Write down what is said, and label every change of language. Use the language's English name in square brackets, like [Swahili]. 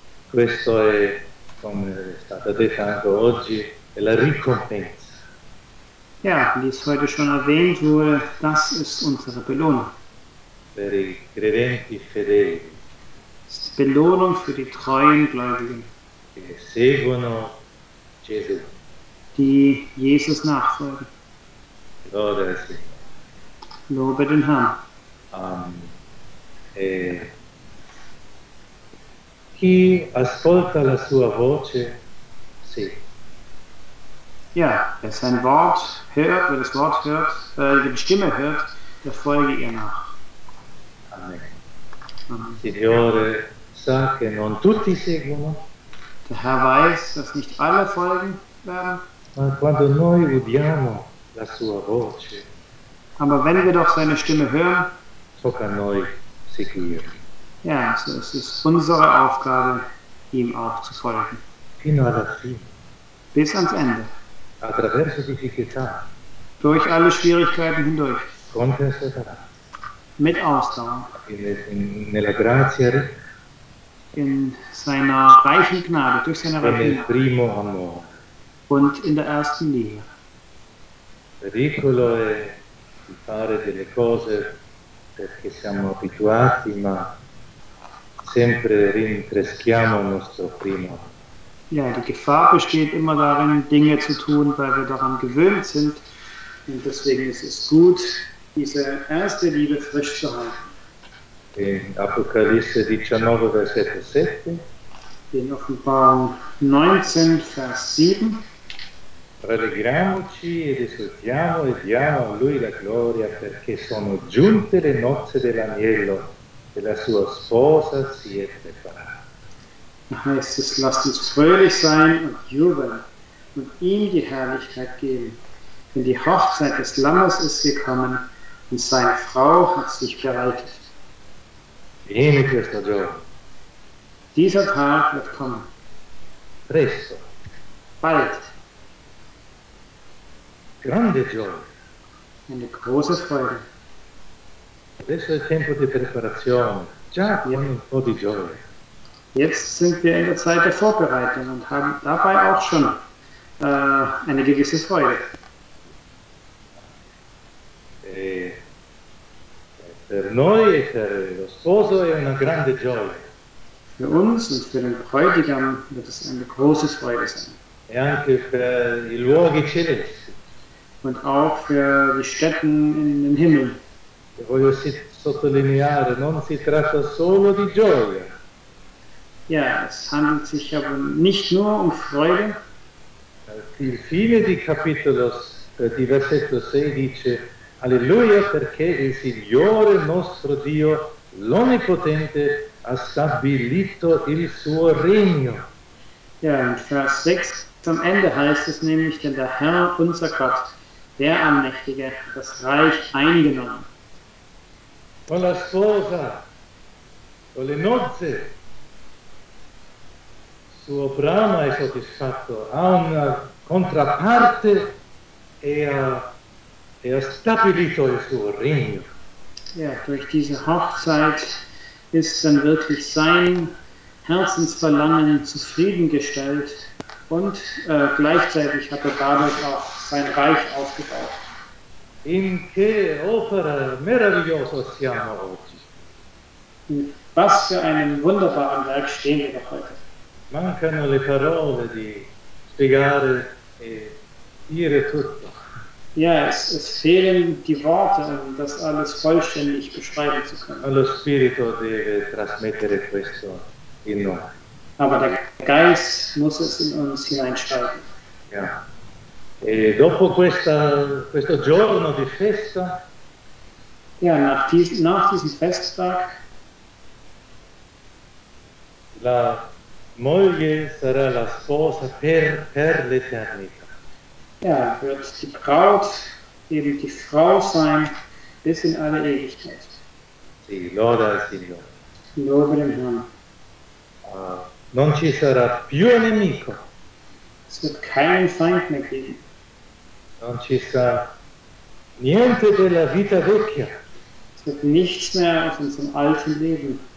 [Italian] Questo è, come è stato detto anche oggi, è la ricompensa. [German] Ja, wie es heute schon erwähnt wurde, das ist unsere Belohnung. [Italian] Per i credenti fedeli. [German] Belohnung für die treuen Gläubigen. [Italian] Che seguono Gesù. [German] Die Jesus nachfolgen. [Italian] Lode al Signore. [German] Lobe den Herrn. [Italian] Chi ascolta la sua voce, sì. [German] Ja, wer sein Wort hört, wer das Wort hört, die Stimme hört, der folge ihr nach. Amen. [Italian] Signore sa che non tutti seguono. [German] Der Herr weiß, dass nicht alle folgen werden. [Italian] Ma quando noi udiamo la sua voce, [German] aber wenn wir doch seine Stimme hören, [Italian] tocca a noi seguire. [German] Ja, so es ist unsere Aufgabe, ihm auch zu folgen. [Italian] Fino alla fine. [German] Bis ans Ende. [Italian] Attraverso difficoltà. [German] Durch alle Schwierigkeiten hindurch. [Italian] Con perseveranza. [German] Mit Ausdauer. [Italian] Nella grazia ricca. [German] In seiner reichen Gnade, durch seine reiche Gnade. [Italian] Nel primo amore. [German] Und in der ersten Liebe. [Italian] Pericolo è di fare delle cose perché siamo abituati, ma sempre rinfreschiamo il nostro primo. [German] Ja, die Gefahr besteht immer darin, Dinge zu tun, weil wir daran gewöhnt sind. Und deswegen ist es gut, diese erste Liebe frisch zu halten. [Italian] In Apocalisse 19, Versetto 7. [German] In Offenbarung 19, Vers 7. [Italian] Rallegriamoci ed esultiamo e diamo a Lui la gloria, perché sono giunte le nozze dell'agnello. E la sua sposa si è preparata. [German] Heißt es, lasst uns fröhlich sein und jubeln und ihm die Herrlichkeit geben. Denn die Hochzeit des Lammes ist gekommen und seine Frau hat sich bereitet. [Italian] Viene questo giorno. [German] Dieser Tag wird kommen. [Italian] Presto. [German] Bald. [Italian] Grande gioia. [German] Eine große Freude. [Italian] Adesso è il tempo di preparazione, già con un po' di gioia. [German] Jetzt sind wir in der Zeit der Vorbereitung und haben dabei auch schon eine gewisse Freude. [Italian] Per noi e per lo sposo è una grande gioia. [German] Für uns und für den Bräutigam wird es eine große Freude sein. [Italian] E anche per i luoghi celesti. [German] Und auch für die Städte in den Himmel. [Italian] Voglio sottolineare, non si tratta solo di gioia. [German] Ja, es handelt sich aber nicht nur um Freude. [Italian] Il fine di capitolo, di versetto 6 dice: Alleluia, perché il Signore nostro Dio, l'Onnipotente, ha stabilito il suo regno. [German] Ja, in Vers 6 zum Ende heißt es nämlich: Denn der Herr, unser Gott, der Allmächtige, hat das Reich eingenommen. [Italian] Con la sposa, con le nozze, suo brama è soddisfatto, ha una contraparte e ha stabilito il suo regno. [German] Ja, durch diese Hochzeit ist dann wirklich sein Herzensverlangen zufriedengestellt und gleichzeitig hat dadurch auch sein Reich aufgebaut. [Italian] In che opera meravigliosa siamo oggi. [German] In was für einem wunderbaren Werk stehen wir heute. [Italian] Mancano le parole di spiegare e dire tutto. [German] Ja, es fehlen die Worte, um das alles vollständig beschreiben zu können. [Italian] Lo spirito deve trasmettere questo in noi. [German] Aber der Geist muss es in uns hineinschreiben. Ja. [Italian] E dopo questo giorno di festa, [German] ja, nach diesem Festtag, [Italian] la moglie sarà la sposa per l'eternità. [German] Ja, wird die Braut eben die Frau sein bis in alle Ewigkeit. [Italian] Sì, lode al Signore. Lode [German] dem Herrn. [Italian] Non ci sarà più nemico. [German] Es wird keinen Feind mehr geben. [Italian] Non ci sarà niente della vita vecchia. [German] wird nichts mehr aus unserem alten Leben.